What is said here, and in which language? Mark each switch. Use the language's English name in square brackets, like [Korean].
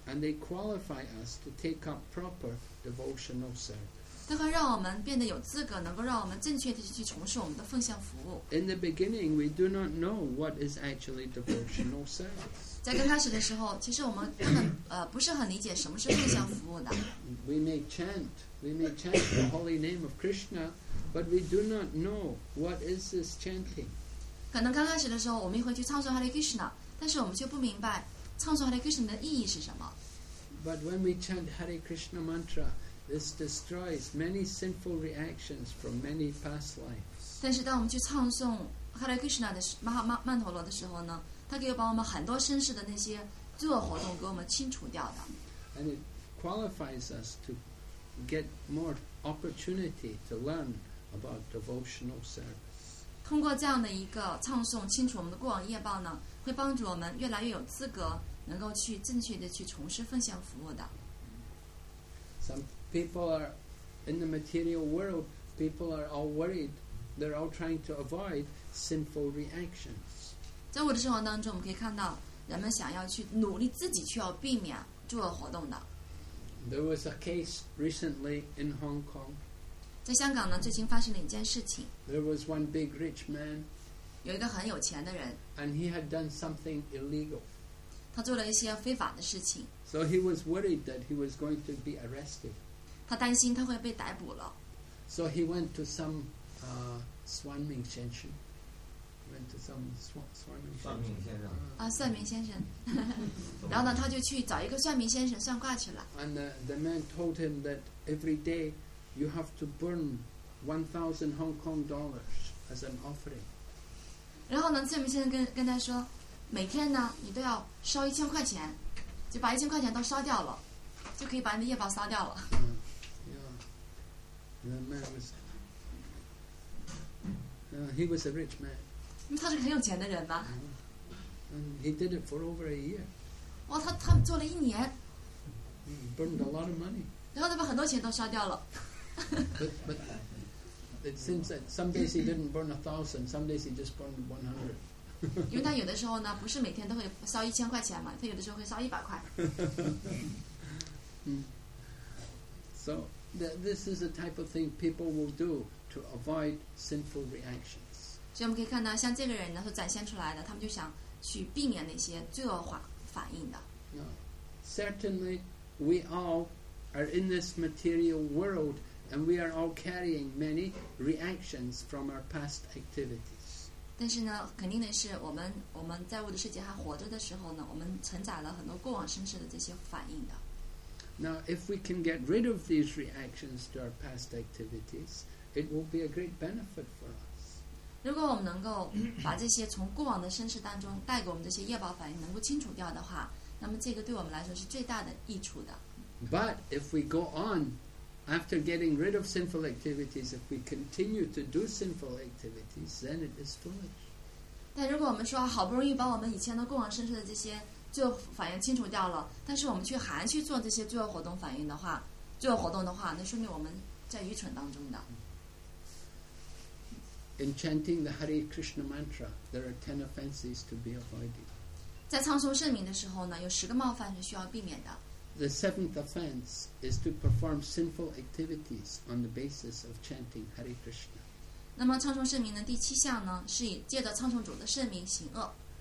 [English] And they qualify us to take up proper devotional service. [Chinese] 它会让我们变得有资格，能够让我们正确地去从事我们的奉献服务。 [English] In the beginning, we do not know what is actually devotional service. [Chinese] 在刚开始的时候，其实我们不是很理解什么是奉献服务的。 [English] We may chant the holy name of Krishna, but we do not know what is this chanting. [Chinese] 可能刚开始的时候，我们也会去唱诵 Hare Krishna， 但是我们却不明白唱诵 Hare Krishna 的意义是什么。 [English] But when we chant Hare Krishna mantra, this destroys many sinful reactions from many past lives. [Chinese] 但是当我们去唱诵 Hare Krishna 的曼陀罗的时候呢，它可以把我们很多身世的那些罪恶活动给我们清除掉的。 [English] And it qualifies us to get more opportunity to learn about devotional service. [Chinese] 通过这样的一个唱诵，清除我们的过往业报呢，会帮助我们越来越有资格，能够去正确的去从事奉献服务的。 [English] people are in the material world, people are all worried. They're all trying to avoid sinful reactions. [Chinese] 在我的生活当中，我们可以看到人们想要去努力自己去要避免诸恶活动的。 [English] There was a case recently in Hong Kong. [Chinese] 在香港呢，最近发生了一件事情。 [English] There was one big rich man. [Chinese] 有一个很有钱的人。 [English] And he had done something illegal. [Chinese] 他做了一些非法的事情。 [English] So he was worried that he was going to be arrested. [Chinese] 他担心他会被逮捕了。 [English] So he went to some算命先生。 Went to some 算命先生。 [Chinese] 啊，算命先生。然后呢，他就去找一个算命先生算卦去了。 [English] And the man told him that every day you have to burn 1,000 Hong Kong dollars as an offering. [Chinese] 然后呢，算命先生跟他说，每天呢，你都要烧1,000块钱，就把1,000块钱都烧掉了，就可以把你的业报烧掉了。 [English] The man was. He was a rich man. [Chinese] 他是很有钱的人吗？ [English] He did it for over a year. [Chinese] 哇，他做了一年。 [English] Burned a lot of money. [Chinese] 然后他把很多钱都烧掉了。 [English] But it seems that some days he didn't burn 1,000, some days he just burned 100. [Chinese] 因为他有的时候呢，不是每天都会烧1,000块钱嘛，他有的时候会烧100块。 [English] So. This is the type of thing people will do to avoid sinful reactions. [Chinese] 所以我们可以看到，像这个人呢所展现出来的，他们就想去避免那些罪恶化反应的。 [English] Certainly, we all are in this material world, and we are all carrying many reactions from our past activities. [Chinese] 但是呢，肯定的是，我们在物质世界还活着的时候呢，我们承载了很多过往生世的这些反应的。 [English] Now, if we can get rid of these reactions to our past activities, it will be a great benefit for us. [Chinese] 如果我们能够把这些从过往的生世当中带给我们这些业报反应能够清除掉的话，那么这个对我们来说是最大的益处的。 [English] But if we go on after getting rid of sinful activities, if we continue to do sinful activities, then it is foolish. [Chinese] 但如果我们说好不容易把我们以前的过往生世的这些罪恶反应清除掉了，但是我们却还去做这些罪恶活动反应的话，罪恶活动的话，那说明我们在愚蠢当中的。 [English] In chanting the Hare Krishna mantra, there are 10 offenses to be avoided. [Chinese] 在唱诵圣名的时候呢，有10个冒犯是需要避免的。 [English] The 7th offense is to perform sinful activities on the basis of chanting Hare Krishna. [Chinese] 那么唱诵圣名的第7项呢，是以借着唱诵主的圣名行恶。